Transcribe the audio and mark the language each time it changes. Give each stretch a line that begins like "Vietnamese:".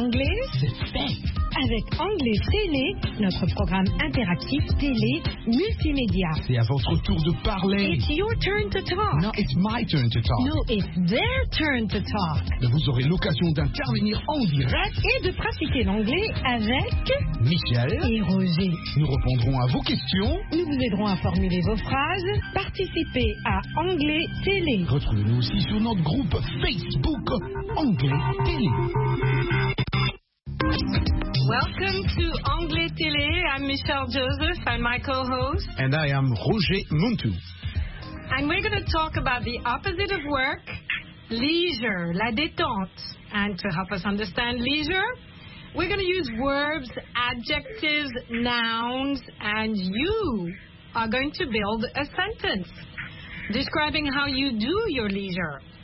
French: Avec Anglais Télé, notre programme interactif télé multimédia. C'est à votre tour de parler.
English: It's your turn to talk. No, it's my turn to talk. No, it's their turn to talk.
French: Vous aurez l'occasion d'intervenir en direct et de pratiquer l'anglais avec Michel et Roger. Nous répondrons à vos questions. Nous vous aiderons à formuler vos phrases. Participez à Anglais Télé. Retrouvez-nous aussi sur notre groupe Facebook Anglais Télé.
English: Welcome to Anglais Télé. I'm Michelle Joseph. I'm my co-host. And I am Roger Muntou. And we're going to talk about the opposite of work, leisure, la détente. And to help us understand leisure, we're going to use verbs, adjectives, nouns, and you are going to build a sentence describing how you do your leisure.